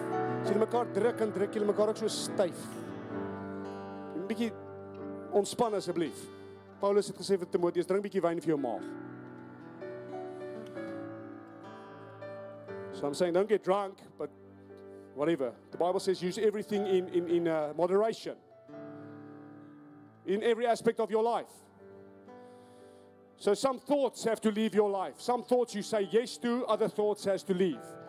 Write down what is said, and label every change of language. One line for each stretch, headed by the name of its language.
Afrikaans: As julle mekaar druk en druk, julle mekaar ook so styf. 'N bietjie ontspan asseblief. Paulus het gesê vir Timoteus, drink 'n bietjie wyn vir jou maag.
English: So I'm saying, don't get drunk, but whatever. The Bible says, use everything in moderation. In every aspect of your life. So some thoughts have to leave your life. Some thoughts you say yes to, other thoughts has to leave.